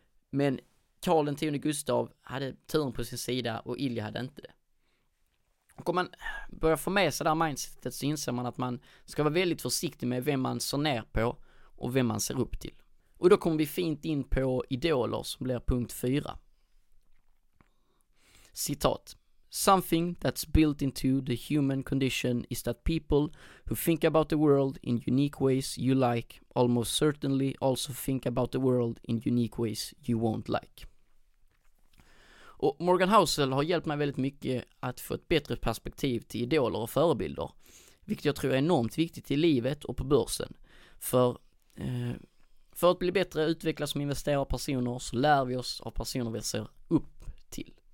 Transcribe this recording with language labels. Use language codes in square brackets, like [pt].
[sv] Men Karl den tionde Gustav hade turen på sin sida och Ilja hade inte det. Och om man börjar få med sig det här mindsetet så inser man att man ska vara väldigt försiktig med vem man ser ner på och vem man ser upp till. Och då kommer vi fint in på idoler som blir punkt 4. Citat. [en] Something that's built into the human condition is that people who think about the world in unique ways you like almost certainly also think about the world in unique ways you won't like. [sv] Och Morgan Housel har hjälpt mig väldigt mycket att få ett bättre perspektiv till idoler och förebilder. Vilket jag tror är enormt viktigt i livet och på börsen. För att bli bättre och utvecklas som investerare personer så lär vi oss av personer vi ser upp till.